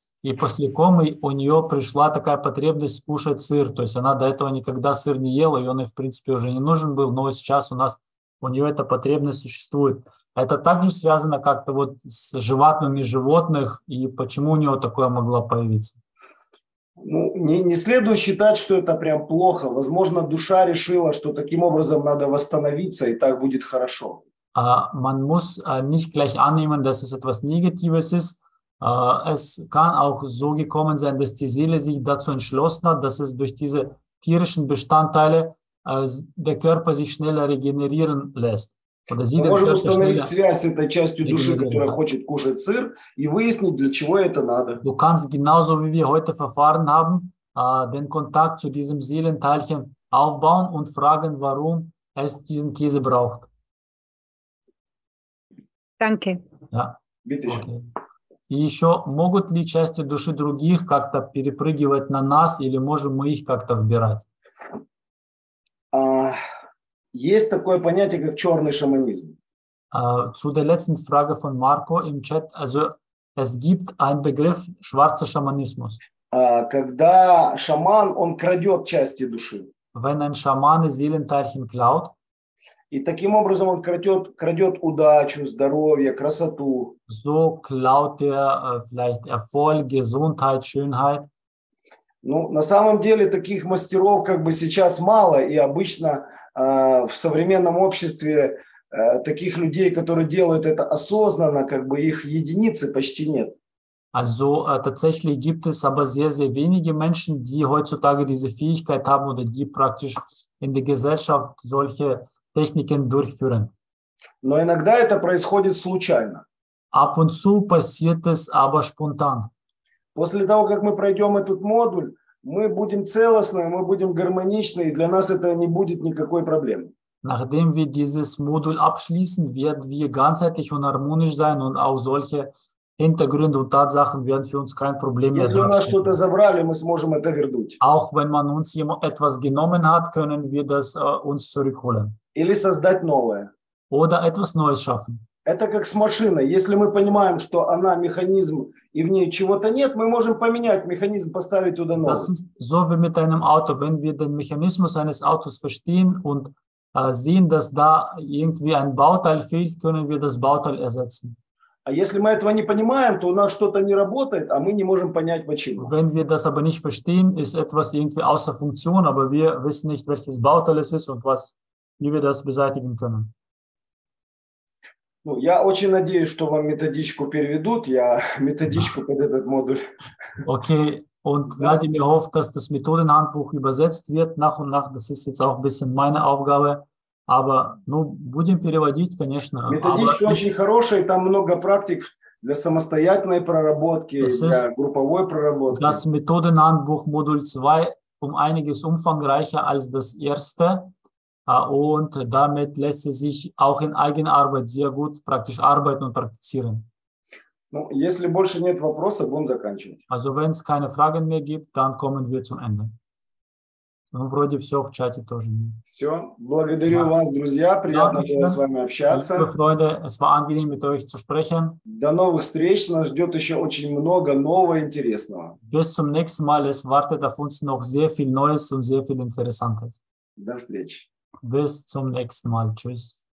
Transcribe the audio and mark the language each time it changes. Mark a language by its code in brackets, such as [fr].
[ru] И после комы у нее пришла такая потребность кушать сыр, то есть она до этого никогда сыр не ела, и он ей, в принципе, уже не нужен был, но сейчас у нас у нее эта потребность существует. Это также связано как-то вот с животными животных, и почему у него такое могло появиться? Ну, не следует считать, что это прям плохо. Возможно, душа решила, что таким образом надо восстановиться, и так будет хорошо. [de] Man muss nicht gleich annehmen, dass es etwas Negatives ist. Es kann auch so gekommen sein, dass die Seele sich dazu entschlossen hat, dass es durch diese tierischen Bestandteile der Körper sich schneller regenerieren lässt. [ru] Мы можем установить связь с этой частью души, которая хочет кушать сыр, и выяснить, для чего это надо. [de] Du kannst genauso wie wir heute verfahren haben, den Kontakt zu diesem Seelenteilchen aufbauen und fragen, warum es diesen Käse braucht. Danke. Ja. Bitte. [ru] И еще, могут ли части души других как-то перепрыгивать на нас, или можем мы их как-то вбирать? Есть такое понятие, как черный шаманизм. [de] Zu der letzten Frage von Marco im Chat. Also, es gibt einen Begriff schwarzer Schamanismus. [ru] Когда шаман, он крадет части души. [de] Wenn ein Schamane Seelenteilchen klaut. [ru] И таким образом он крадет удачу, здоровье, красоту. [de] So klaut er vielleicht Erfolg, Gesundheit, Schönheit. [ru] Ну, на самом деле, таких мастеров как бы сейчас мало, и обычно в современном обществе таких людей, которые делают это осознанно, как бы их единицы почти нет. [de] Also tatsächlich gibt es aber sehr, sehr wenige Menschen, die heutzutage diese Fähigkeit haben oder die praktisch in der Gesellschaft solche Techniken durchführen. [ru] Но иногда это происходит случайно. [de] Ab und zu passiert es aber spontan. [ru] После того, как мы пройдем этот модуль, мы будем целостны, мы будем гармоничны, и для нас это не будет никакой проблемы. [de] Nachdem wir dieses Modul abschließen, werden wir ganzheitlich und harmonisch sein und auch solche Hintergründe und Tatsachen werden für uns kein Problem mehr [ru] Если у нас что-то [de] darstellen. [ru] забрали, мы сможем это вернуть. [de] Auch wenn man uns jemand etwas genommen hat, können wir das uns zurückholen. [ru] Или создать новое. [de] Oder etwas Neues schaffen. [ru] Это как с машиной. Если мы понимаем, что она механизм и в ней чего-то нет, мы можем поменять механизм, поставить туда новый. [de] Das ist so wie mit einem Auto. Wenn wir den Mechanismus eines Autos verstehen und sehen, dass da irgendwie ein Bauteil fehlt, können wir das Bauteil ersetzen. [ru] А если мы этого не понимаем, то у нас что-то не работает, а мы не можем понять, почему. [de] Wenn wir das aber nicht verstehen, ist etwas irgendwie außer Funktion, aber wir wissen nicht, welches Bauteil es ist und was, wie wir das beseitigen können. [ru] Ну, я очень надеюсь, что вам методичку переведут. Я методичку под этот модуль. [de] Okay, und Vladimir hofft, dass das Methodenhandbuch übersetzt wird nach und nach. Das ist jetzt auch ein bisschen meine Aufgabe. Aber, [ru] ну, будем переводить, конечно. Методичка очень хорошая, там много практик для самостоятельной проработки, для групповой проработки. [de] Das Methodenhandbuch Modul 2 um einiges umfangreicher als das erste. Und damit lässt es sich auch in Eigenarbeit sehr gut praktisch arbeiten und praktizieren. [ru] Ну, если больше нет вопросов, будем заканчивать. [de] Also, wenn es keine Fragen mehr gibt, dann kommen wir zum Ende. [ru] Ну, вроде все в чате тоже. Все. Благодарю да. вас, друзья. Приятно да, было с вами общаться. [de] Liebe Freunde, es war angenehm, mit euch zu sprechen. [ru] До новых встреч. Нас ждет еще очень много нового и интересного. [de] Bis zum nächsten Mal. Es wartet auf uns noch sehr viel Neues und sehr viel Interessantes. [ru] До встречи. [de] Bis zum nächsten Mal. Tschüss.